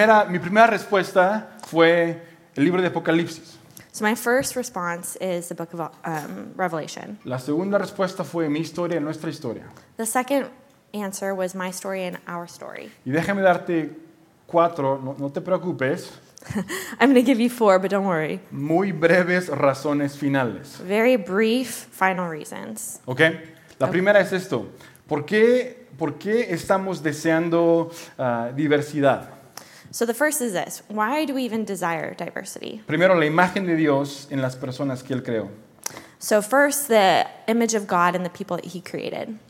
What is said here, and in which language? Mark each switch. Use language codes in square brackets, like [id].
[es] Mi primera respuesta fue el libro de Apocalipsis. [en] So my first response is the book of Revelation. [es] La segunda respuesta fue mi historia y nuestra historia. [en] The second answer was my story and our story. [es] Y déjame darte cuatro, no te preocupes. [en] I'm going to give you four, but don't worry. [es] Muy breves razones finales. [en] Very brief final reasons. [es] Okay. La primera es esto. ¿Por qué estamos deseando diversidad? [en] So the first is this. Why do we even desire diversity? [es] Primero, la imagen de Dios en las personas que Él creó. [en] So first, the image of God in the people that He created.